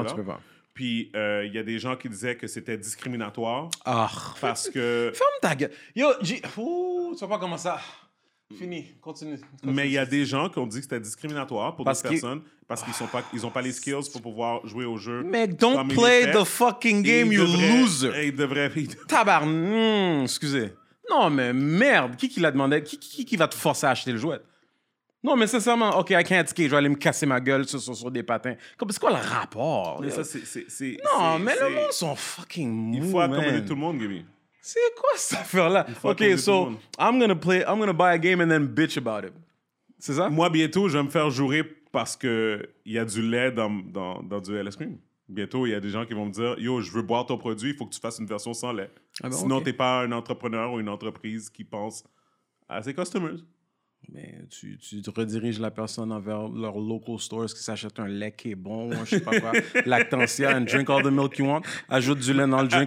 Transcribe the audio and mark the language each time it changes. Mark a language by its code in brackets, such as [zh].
[fr] Non, tu peux pas. Puis il y a des gens qui disaient que c'était discriminatoire. Ah. Parce que. Ferme ta gueule. Yo, tu vas pas commencer à. Fini. Continue. Mais il y a des gens qui ont dit que c'était discriminatoire pour d'autres personnes. Parce qu'ils sont pas, ils ont pas les skills pour pouvoir jouer au jeu. [en] Mais don't play the fucking game, you loser. [fr] Et ils devraient vite. Excusez. Non, mais merde. Qui l'a demandé? Qui va te forcer à acheter le jouet? Non, mais sincèrement, OK, [en] I can't skate. [fr] Je vais aller me casser ma gueule sur des patins. C'est quoi le rapport? Mais ça, c'est non, c'est, mais c'est... le monde sont fucking mou, il faut accommoder tout le monde, Gaby. C'est quoi cette affaire-là? [en] OK, so I'm gonna buy a game and then bitch about it. [fr] C'est ça? Moi, bientôt, je vais me faire jouer parce qu'il y a du lait dans du LS Cream. Bientôt, il y a des gens qui vont me dire, « Yo, je veux boire ton produit, il faut que tu fasses une version sans lait. » Sinon, okay. T'es pas un entrepreneur ou une entreprise qui pense à ses customers. Mais tu te rediriges la personne envers leur local stores qui s'achète un lait qui est bon, je sais pas quoi, Lactantia, [en] and drink all the milk you want, [fr] ajoute du lait dans le drink.